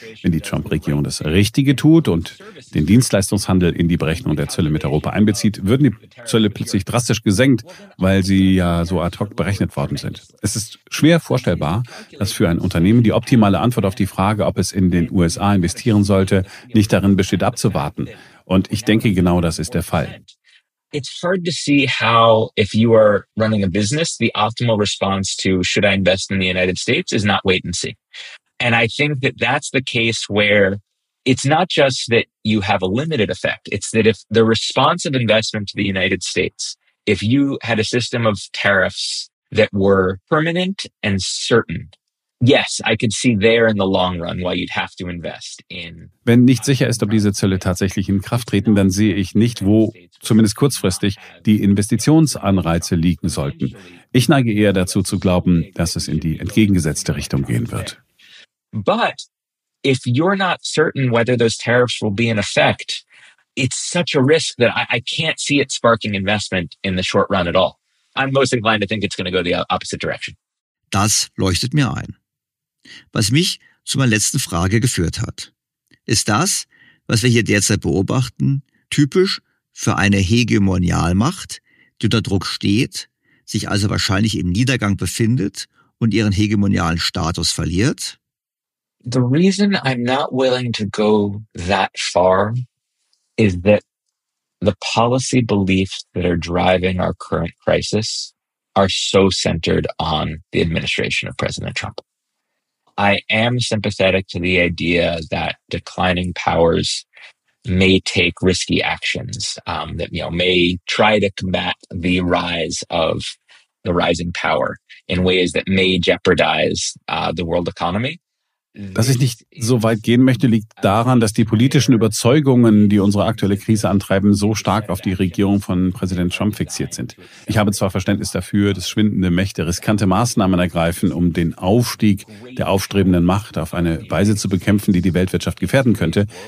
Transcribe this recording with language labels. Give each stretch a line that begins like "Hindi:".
German: Wenn die Trump-Regierung das Richtige tut und den Dienstleistungshandel in die Berechnung der Zölle mit Europa einbezieht, würden die Zölle plötzlich drastisch gesenkt, weil sie ja so ad hoc berechnet worden sind. Es ist schwer vorstellbar, dass für ein Unternehmen die optimale Antwort auf die Frage, ob es in den USA investieren sollte, nicht darin besteht, abzuwarten. Und ich denke, genau das ist der Fall.
English: It's hard to see how, if you are running a business, the optimal response to should I invest in the United States is not wait and see. And I think that that's the case where it's not just that you have a limited effect. It's that if the response of investment to the United States, if you had a system of tariffs that were permanent and certain, yes, I could see there in the long run why you'd have to invest in.
German: Wenn nicht sicher ist, ob diese Zölle tatsächlich in Kraft treten, dann sehe ich nicht, wo zumindest kurzfristig die Investitionsanreize liegen sollten. Ich neige eher dazu zu glauben, dass es in die entgegengesetzte Richtung gehen wird.
English: But if you're not certain whether those tariffs will be in effect, it's such a risk that I can't see it sparking investment in the short run at all. I'm most inclined to think it's going to go the opposite direction.
German: Das leuchtet mir ein. Was mich zu meiner letzten Frage geführt hat, ist das, was wir hier derzeit beobachten, typisch für eine Hegemonialmacht, die unter Druck steht, sich also wahrscheinlich im Niedergang befindet und ihren hegemonialen Status verliert?
English: The reason I'm not willing to go that far is that the policy beliefs that are driving our current crisis are so centered on the administration of President Trump. I am sympathetic to the idea that declining powers may take risky actions, that, you know, may try to combat the rise of the rising power in ways that may jeopardize the world economy.
German: Dass ich nicht so weit gehen möchte, liegt daran, dass die politischen Überzeugungen, die unsere aktuelle Krise antreiben, so stark auf die Regierung von Präsident Trump fixiert sind. Ich habe zwar Verständnis dafür, dass schwindende Mächte riskante Maßnahmen ergreifen, um den Aufstieg der aufstrebenden Macht auf eine Weise zu bekämpfen, die die Weltwirtschaft gefährden könnte.